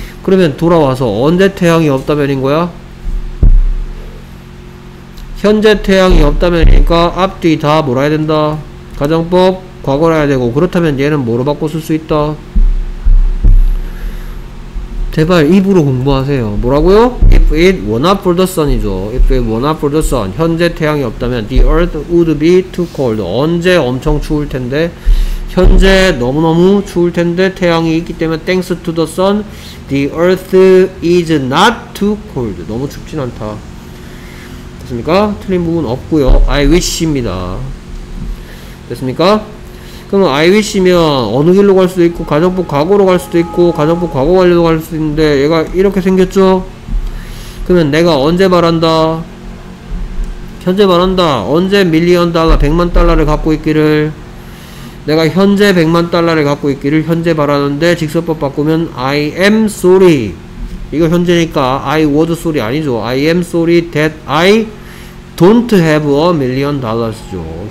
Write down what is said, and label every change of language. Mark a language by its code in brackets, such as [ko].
[ko] 그러면 돌아와서 언제 태양이 없다면인 거야? 현재 태양이 없다면이니까 앞뒤 다 뭐라 해야 된다? 가정법 과거라 해야 되고, 그렇다면 얘는 뭐로 바꿔 쓸 수 있다? 제발 입으로 공부하세요. 뭐라고요? [en] If it were not for the sun이죠. If it were not for the sun, [ko] 현재 태양이 없다면 [en] the earth would be too cold. [ko] 언제 엄청 추울 텐데, 현재 너무너무 추울 텐데 태양이 있기 때문에 [en] thanks to the sun, the earth is not too cold. [ko] 너무 춥진 않다. 됐습니까? 틀린 부분 없고요. I wish입니다. 됐습니까? 그럼 I wish면 어느 길로 갈 수도 있고 가정법 과거로 갈 수도 있고 가정법 과거 완료로 갈 수도 있는데 얘가 이렇게 생겼죠? 그러면 내가 언제 바란다? 현재 바란다. 언제 밀리언 달러, 백만 달러를 갖고 있기를, 내가 현재 백만 달러를 갖고 있기를 현재 바라는데 직설법 바꾸면 [en] I am sorry. [ko] 이거 현재니까 [en] I was sorry [ko] 아니죠. [en] I am sorry that I don't have a million dollars죠.